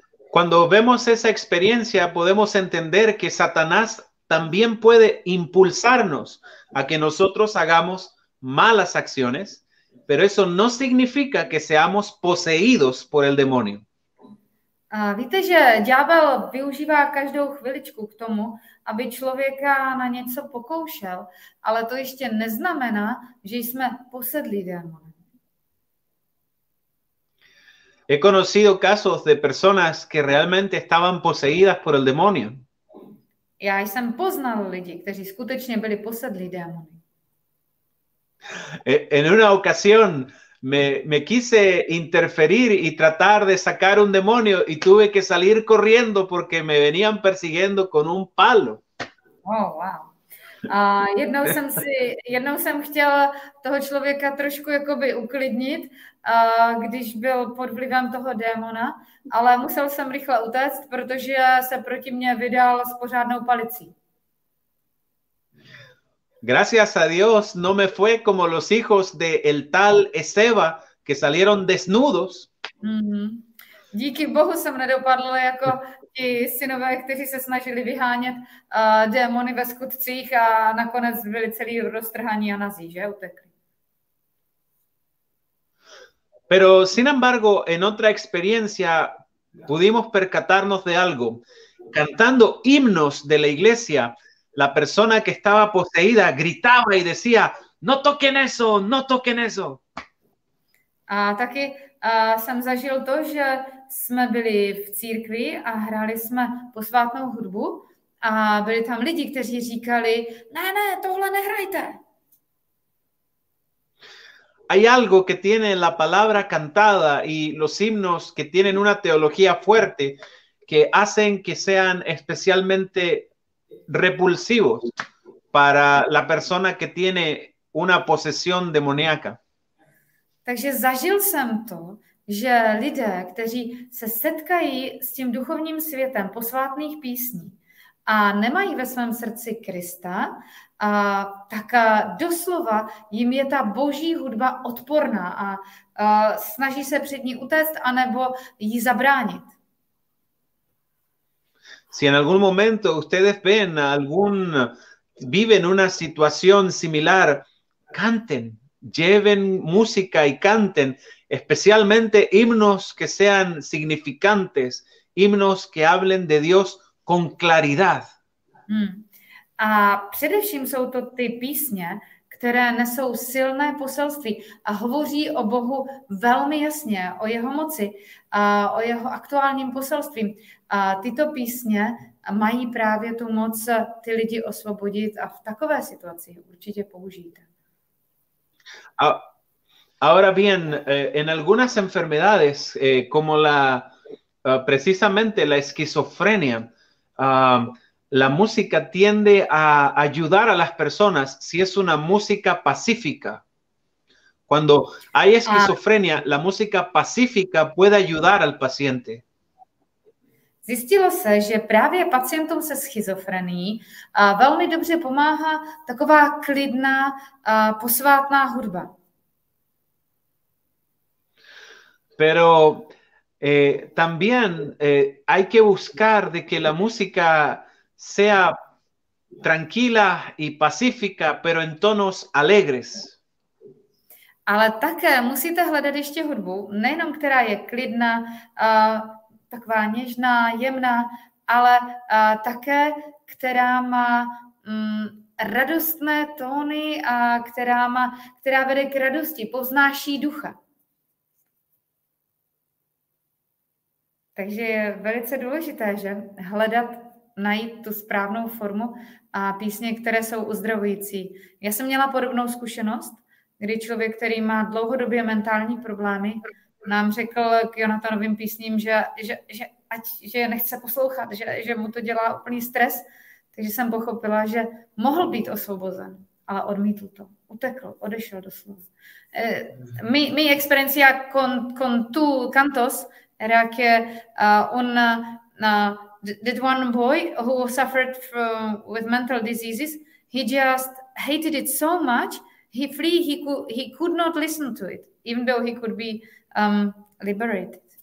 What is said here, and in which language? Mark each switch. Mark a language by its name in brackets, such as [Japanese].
[Spanish] Cuando vemos esa experiencia, podemos entender que Satanás también puede impulsarnos a que nosotros hagamos malas acciones, pero eso no significa que seamos poseídos por el demonio. [Czech] Víte, že ďábel využívá každou chviličku k tomu, aby člověka na něco pokoušel, ale to ještě neznamená, že jsme posedlí démonem. [Spanish] He conocido casos de personas que realmente estaban poseídas por el demonio. [Czech] Já jsem poznal lidi, kteří skutečně byli posedlí démony. [Spanish] En una ocasión me quise interferir y tratar de sacar un demonio y tuve que salir corriendo porque me venían persiguiendo con un palo. Oh, wow. [Czech] Jednou jsem chtěl toho člověka trošku jakoby uklidnit, když byl pod vlivem toho démona, ale musel jsem rychle utéct, protože se proti mně vydal s pořádnou palicí. [Spanish] Gracias a Dios, no me fue como los hijos de el tal Ezeba, que salieron desnudos. [Czech] Díky Bohu jsem nedopadl jako ti synové, kteří se snažili vyhánět démony ve skutcích a nakonec byli celý roztrhaní a nazí, že utekli. [Spanish] Pero sin embargo, en otra experiencia pudimos percatarnos de algo. Cantando himnos de la iglesia, la persona que estaba poseída gritaba y decía: "No toquen eso, no toquen eso." [Czech] A taky jsem zažil to, že jsme byli v církvi a hráli jsme posvátnou hudbu a byli tam lidi, kteří říkali: "Ne, ne, tohle nehrajte." [Spanish] Hay algo que tiene la palabra cantada y los himnos que tienen una teología fuerte que hacen que sean especialmente repulsivos para la persona que tiene una posesión demoníaca. [Czech] Takže zažil jsem to, že lidé, kteří se setkají s tím duchovním světem posvátných písní a nemají ve svém srdci Krista, tak doslova jim je ta boží hudba odporná a snaží se před ní utéct anebo jí zabránit. [Spanish] Si en algún momento ustedes ven algún viven una situación similar, canten, lleven música y canten, especialmente himnos que sean significantes, himnos que hablen de Dios con claridad. [Czech] A především jsou to ty písně, které nesou silné poselství a hovoří o Bohu velmi jasně, o jeho moci a o jeho aktuálním poselství. A tyto písně mají právě tu moc ty lidi osvobodit a v takové situaci určitě použijte. [Spanish] Ahora bien, en algunas enfermedades, como la precisamente la esquizofrenia, la música tiende a ayudar a las personas si es una música pacífica. Cuando hay esquizofrenia, la música pacífica puede ayudar al paciente. [Czech] Zjistilo se, že právě pacientům se schizofrenií velmi dobře pomáhá taková klidná posvátná hudba. [Spanish] Pero también hay que buscar de que la música sea tranquila y pacífica, pero en tonos alegres. [Czech] Ale také musíte hledat ještě hudbu, nejenom která je klidná, taková něžná, jemná, ale také, která má radostné tóny a která vede k radosti, povznáší ducha. Takže je velice důležité, že hledat, najít tu správnou formu a písně, které jsou uzdravující. Já jsem měla podobnou zkušenost, kdy člověk, který má dlouhodobě mentální problémy, nám řekl k Jonathanovým písním, že nechce poslouchat, že mu to dělá úplný stres. Takže jsem pochopila, že mohl být osvobozen, ale odmítl to. Utekl, odešel doslova. [Spanish] Mi experiencia con tu cantos era que un [English] did one boy who suffered from with mental diseases, he just hated it so much, he could not listen to it, even though he could be liberated.